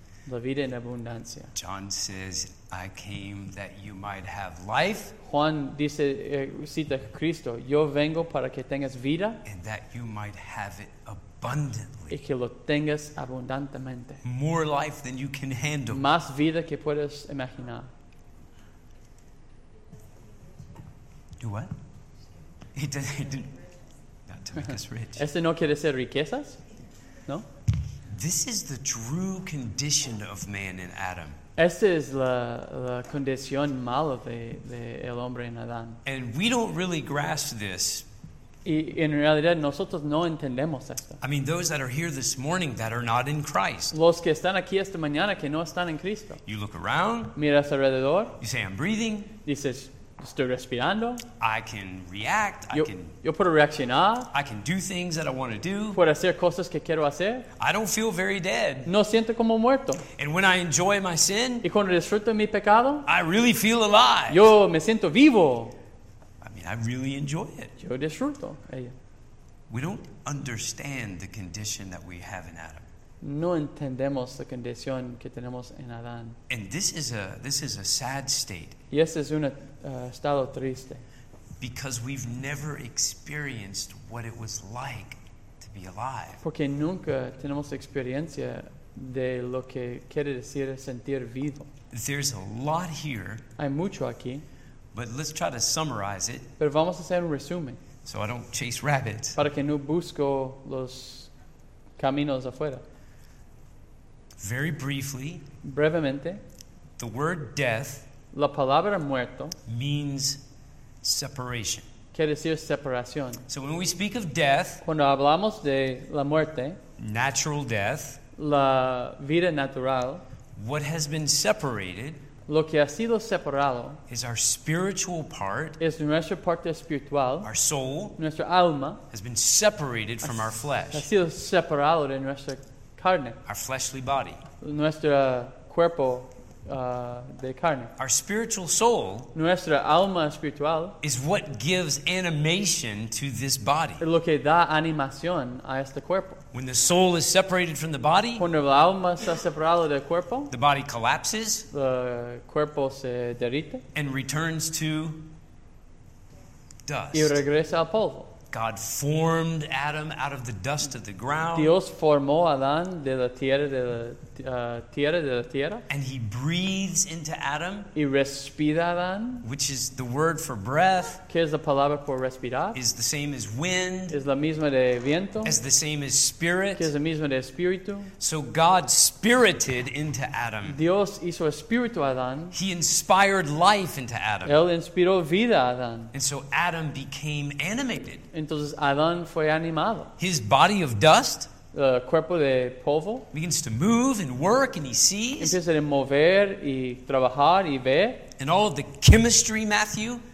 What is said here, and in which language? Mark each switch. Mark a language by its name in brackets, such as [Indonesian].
[Spanish] La vida en abundancia. [English] John says, I came that you might have life. [Spanish] Juan dice, cita a Cristo, yo vengo para que tengas vida. [English] And that you might have it abundantly. [Spanish] Y que lo tengas abundantemente. [English] More life than you can handle. [Spanish] Más vida que puedes imaginar. [English] Do what? It didn't, not to make us rich. [Spanish] ¿Este no quiere ser riquezas? [English] No. This is the true condition of man in Adam. [Spanish] Esta es la condición mala de el hombre en Adán. [English] And we don't really grasp this. [Spanish] Y en realidad nosotros no entendemos esto. [English] I mean, those that are here this morning that are not in Christ. [Spanish] Los que están aquí esta mañana que no están en Cristo. [English] You look around. [Spanish] Miras alrededor. [English] You say, I'm breathing. [Spanish] Dices, estoy respirando. [English] I can react. [Spanish] Yo puedo reaccionar. [English] I can do things that I want to do. [Spanish] Puedo hacer cosas que quiero hacer. [English] I don't feel very dead. [Spanish] No siento como muerto. [English] And when I enjoy my sin, [Spanish] y cuando disfruto mi pecado, [English] I really feel alive. [Spanish] Yo me siento vivo. [English] I mean, I really enjoy it. [Spanish] Yo disfruto ella. [English] We don't understand the condition that we have in Adam. [Spanish] No entendemos la condición que tenemos en Adán. [English] And this is a sad state. [Spanish] Y este es un estado triste. [English] Because we've never experienced what it was like to be alive. [Spanish] Porque nunca tenemos experiencia de lo que quiere decir sentir vivo. [English] There's a lot here. [Spanish] Hay mucho aquí. [English] But let's try to summarize it. [Spanish] Pero vamos a hacer un resumen. [English] So I don't chase rabbits. [Spanish] Para que no busco los caminos afuera. [English] Very briefly, [Spanish] brevemente, [English] the word death, [Spanish] la palabra muerto, [English] means separation. [Spanish] Quiere decir separación. [English] So when we speak of death, [Spanish] cuando hablamos de la muerte, [English] natural death, [Spanish] la vida natural, [English] what has been separated, [Spanish] lo que ha sido separado, [English] is our spiritual part, [Spanish] es nuestra parte espiritual, [English] our soul, [Spanish] nuestra alma, [English] has been separated from our flesh. [Spanish] Ha sido separado de nuestra carne. [English] Our fleshly body. [Spanish] Nuestro cuerpo de carne. [English] Our spiritual soul. [Spanish] Nuestra alma espiritual. [English] Is what gives animation to this body. [Spanish] Lo que da animación a este cuerpo. [English] When the soul is separated from the body. [Spanish] Cuando el alma está separado del cuerpo. [English] The body collapses. [Spanish] El cuerpo se derrite. [English] And returns to dust. [Spanish] Y regresa al polvo. [English] God formed Adam out of the dust of the ground. [Spanish] Dios formó a Adán de la tierra de la tierra. [English] And he breathes into Adam. [Spanish] Y respira Adán. [English] Which is the word for breath. [Spanish] ¿Qué es la palabra por respirar? [English] Is the same as wind. [Spanish] Es la misma de viento. [English] Is the same as spirit. [Spanish] ¿Qué es la misma de espíritu? [English] So God spirited into Adam. [Spanish] Dios hizo espíritu a Adán. [English] He inspired life into Adam. [Spanish] Él inspiró vida a Adán. [English] And so Adam became animated. [Spanish] Entonces Adán fue animado. [English] His body of dust. [Spanish] Cuerpo de polvo. [English] Begins to move and work and he sees. [Spanish] Empieza a mover y trabajar y ve. [English] And all of the chemistry, Matthew.